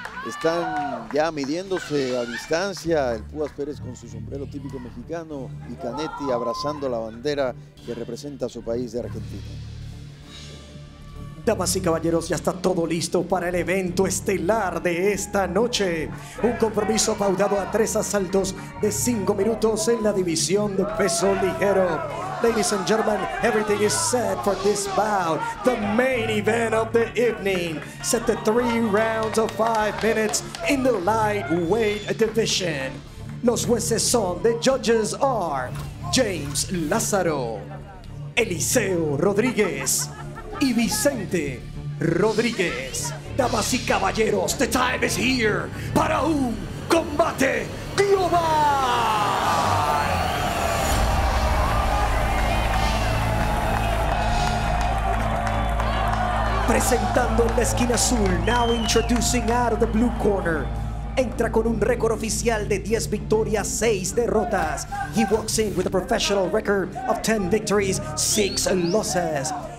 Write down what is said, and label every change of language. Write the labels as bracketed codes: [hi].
[es] Están ya midiéndose a distancia, el Púas Pérez con su sombrero típico mexicano y Canetti abrazando la bandera que representa a su país de Argentina. Damas y caballeros, ya está todo listo para el evento estelar de esta noche. Un compromiso pautado a 3 asaltos de 5 minutos en la división de peso ligero. [en] Ladies and gentlemen, everything is set for this bout. The main event of the evening. Set the 3 rounds of 5 minutes in the lightweight division. [es] Los jueces son, [en] the judges are, [es] James Lázaro, Eliseo Rodríguez, y Vicente Rodríguez. Damas y caballeros, [en] the time is here [es] para un combate global. Presentando en la esquina azul, [en] now introducing out of the blue corner. [es] Entra con un récord oficial de 10 victorias, 6 derrotas. [en] He walks in with a professional record of 10 victories, 6 losses.